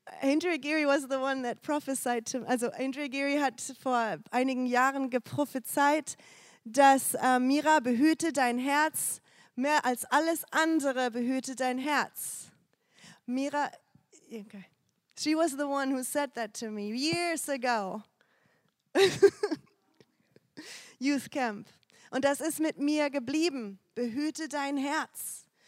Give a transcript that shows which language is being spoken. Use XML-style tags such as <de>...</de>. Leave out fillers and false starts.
<de>Andrea Geary hat vor einigen Jahren geprophezeit, dass Mira, behüte dein Herz. Mehr als alles andere behüte dein Herz. Mira, okay.</de> <en>She was the one who said that to me years ago. Youth Camp.</en> <de>Und das ist mit mir geblieben. Behüte dein Herz.</de>